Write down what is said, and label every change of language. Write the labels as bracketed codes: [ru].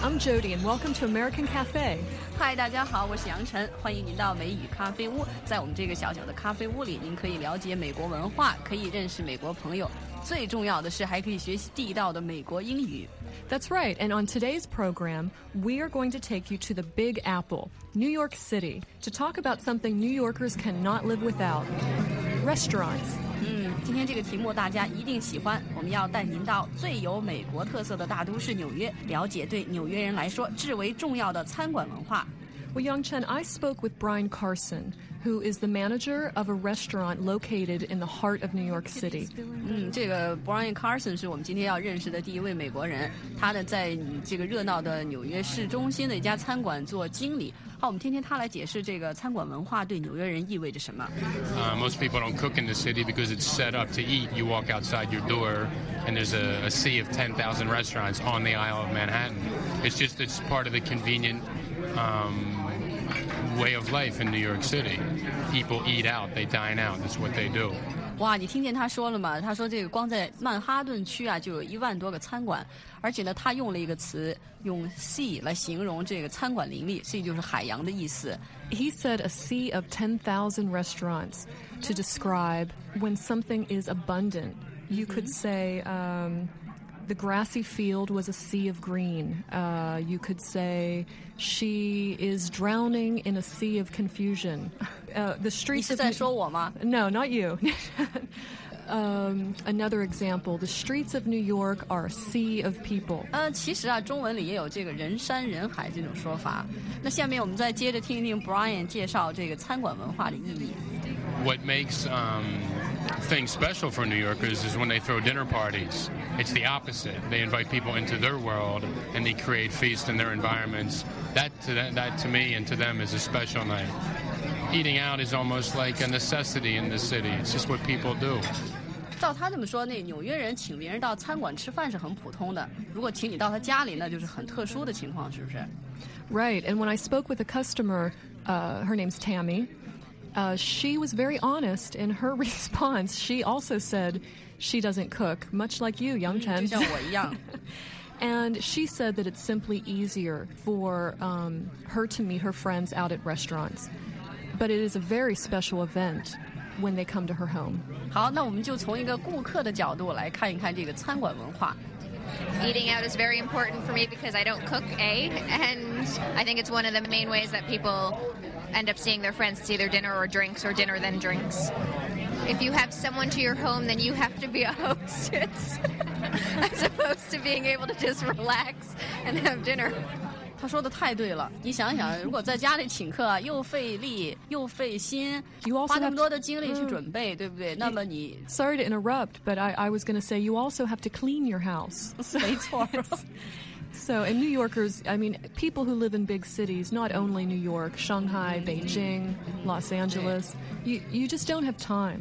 [en] I'm Jody, and welcome to American Cafe. [zh] Hi, 大家好，我是杨晨，欢迎您到美语咖啡屋。在我们这个小小的咖啡屋里，您可以了解美国文化，可以认识美国朋友。最重要的是还可以学习地道的美国英语。 [en] That's right, and on today's program, we are going to take you to the Big Apple, New York City, to talk about something New Yorkers cannot live without, restaurants. [zh] 今天这个题目大家一定喜欢，我们要带您到最有美国特色的大都市纽约，了解对纽约人来说至为重要的餐馆文化。 [en] Well, Yangchen, I spoke with Brian Carson, who is the manager of a restaurant located in the heart of New York City. [zh] 这个 Brian Carson 是我们今天要认识的第一位美国人，他呢在这个热闹的纽约市中心的一家餐馆做经理。好，我们听听他来解释这个餐馆文化对纽约人意味着什么。 [en] Most people don't cook in the city because it's set up to eat. You walk outside your door, and there's a sea of 10,000 restaurants on the Isle of Manhattan. It's just it's part of the convenient. Way of life in New York City. People eat out, they dine out, that's what they do. [zh] 哇，你听见他说了吗？他说这个光在曼哈顿区啊，就有一万多个餐馆，而且呢，他用了一个词，用 sea 来形容这个餐馆林立 ，sea 就是海洋的意思。 [en] He said a sea of 10,000 restaurants to describe when something is abundant. You could say, The grassy field was a sea of green. You could say she is drowning in a sea of confusion. The streets. [zh] 你是在说我吗？ [en] No, not you. another example: the streets of New York are a sea of people. [zh] 其实啊，中文里也有这个人山人海这种说法。那下面我们再接着听一听 Brian 介绍这个餐馆文化的意义。 [en] What makes thing special for New Yorkers is when they throw dinner parties. It's the opposite. They invite people into their world and they create feasts in their environments. That to me and to them is a special night. Eating out is almost like a necessity in the city. It's just what people do. [zh] 照他这么说，那纽约人请别人到餐馆吃饭是很普通的，如果请你到他家里，那就是很特殊的情况，是不是？ [en] Right. And when I spoke with a customer, her name's Tammy. She was very honest in her response. She also said she doesn't cook, much like you, Yangchen. [zh] 就像我一样。 [en] And she said that it's simply easier for her to meet her friends out at restaurants. But it is a very special event when they come to her home. [zh] 好，那我们就从一个顾客的角度来看一看这个餐馆文化。 [en] Eating out is very important for me because I don't cook, and I think it's one of the main ways that people... end up seeing their friends. It's either dinner or drinks or dinner then drinks. If you have someone to your home, then you have to be a hostess as opposed to being able to just relax and have dinner. [zh] 他说的太对了，你想想，如果在家里请客啊，又费力又费心，花那么多的精力去准备，对不对？那么你 [en] Sorry to interrupt, but I was going to say you also have to clean your house. [zh] 没错。 [en] So, and New Yorkers, I mean, people who live in big cities, not only New York, Shanghai, Beijing, Los Angeles, you just don't have time.